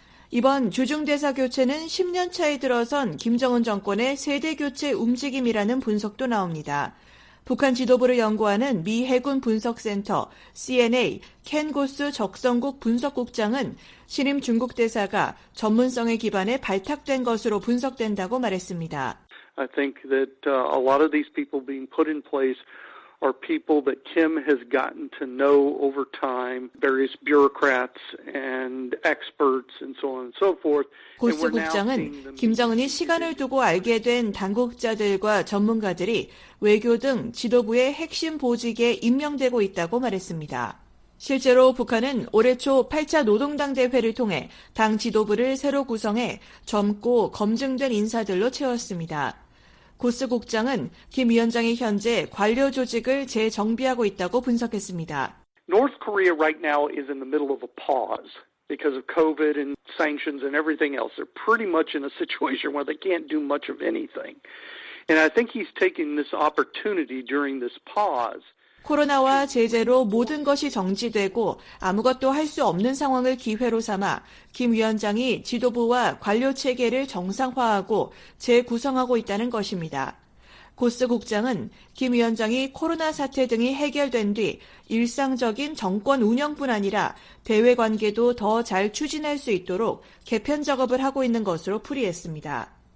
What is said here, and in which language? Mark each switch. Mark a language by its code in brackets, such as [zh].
[ko] 이번 주중대사 교체는 10년 차에 들어선 김정은 정권의 세대교체 움직임이라는 분석도 나옵니다. 북한 지도부를 연구하는 미 해군 분석센터 CNA 켄고스 적성국 분석국장은 신임 중국 대사가 전문성에 기반해 발탁된 것으로 분석된다고 말했습니다. [en] I think that a lot of these people being put in place are people that Kim has gotten to know over time, various bureaucrats and experts and so on and so forth. [ko] 고스 국장은 김정은이 시간을 두고 알게 된 당국자들과 전문가들이 외교 등 지도부의 핵심 보직에 임명되고 있다고 말했습니다. 실제로 북한은 올해 초 8차 노동당 대회를 통해 당 지도부를 새로 구성해 젊고 검증된 인사들로 채웠습니다. 고스 국장은 김 위원장이 현재 관료 조직을 재정비하고 있다고 분석했습니다. [en] North Korea right now is in the middle of a pause because of COVID and sanctions and everything else. They're pretty much in a situation where they can't do much of anything. And I think he's taking this opportunity during this pause. [ko] 코로나와 제재로 모든 것이 정지되고 아무것도 할 수 없는 상황을 기회로 삼아 김 위원장이 지도부와 관료 체계를 정상화하고 재구성하고 있다는 것입니다. 고스 국장은 김 위원장이 코로나 사태 등이 해결된 뒤 일상적인 정권 운영뿐 아니라 대외 관계도 더 잘 추진할 수 있도록 개편 작업을 하고 있는 것으로 풀이했습니다.